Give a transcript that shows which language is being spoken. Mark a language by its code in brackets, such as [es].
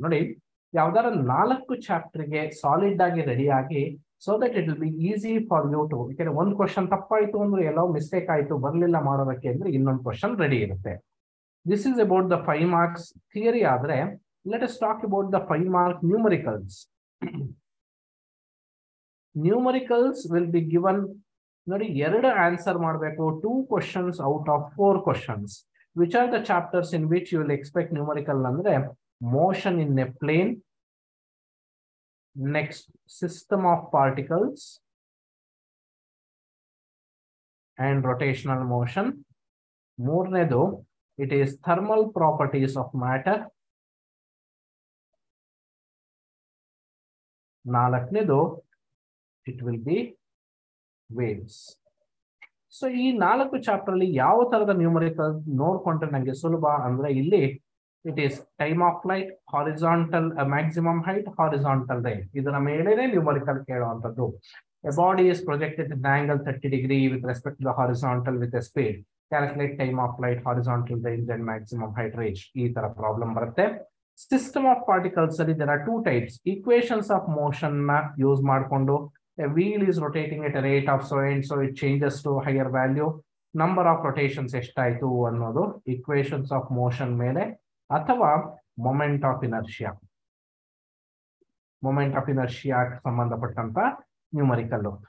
[kn] ನೋಡಿ, ಯಾವ್ದಾದ್ರು ನಾಲ್ಕು ಚಾಪ್ಟರ್ಗೆ ಸಾಲಿಡ್ ಆಗಿ ರೆಡಿ ಆಗಿ, [en] so that it will be easy for you too, [kn] ಯಾಕಂದ್ರೆ ಒಂದು ಕ್ವಶನ್ ತಪ್ಪಾಯಿತು ಅಂದ್ರೆ ಎಲ್ಲೋ ಮಿಸ್ಟೇಕ್ ಆಯಿತು ಬರಲಿಲ್ಲ ಮಾಡೋದಕ್ಕೆ ಅಂದ್ರೆ ಇನ್ನೊಂದು ಕ್ವಶನ್ ರೆಡಿ ಇರುತ್ತೆ. [en] This is about the five marks theory. ಆದ್ರೆ let us talk about the five mark numericals. Numericals will be given. [kn] ನೋಡಿ, ಎರಡು ಆನ್ಸರ್ ಮಾಡಬೇಕು, [en] Two questions out of four questions. which are the chapters in which you will expect numerical andre motion in a plane, next system of particles and rotational motion, moornedu it is thermal properties of matter, nalaknedu it will be waves. [kn] So ಈ ನಾಲ್ಕು chapter ಅಲ್ಲಿ ಯಾವ ತರದ numerical ನೋಡ್ಕೊಂಡ್ರೆ ನಂಗೆ ಸುಲಭ ಅಂದ್ರೆ, ಇಲ್ಲಿ it is time of flight horizontal maximum height horizontal rate, ಇದರ ಮೇಲೇನೆ numerical ಕೇಳುವಂಥದ್ದು. [en] A body is projected in angle 30 degrees with respect to the horizontal with a speed, calculate time of flight horizontal range and maximum height range. [kn] ಈ ತರ problem ಬರುತ್ತೆ. [en] system of particles ಅಲ್ಲಿ there are two types, [kn] equations of motion ನ use ಮಾಡಿಕೊಂಡು, [en] a wheel is rotating at a rate of so and so, it changes to a higher value, number of rotations [kn] eshtaitu annodu [en] equations of motion mele, athava moment of inertia, moment of inertia [kn] sambandhapattanta [en] numerical.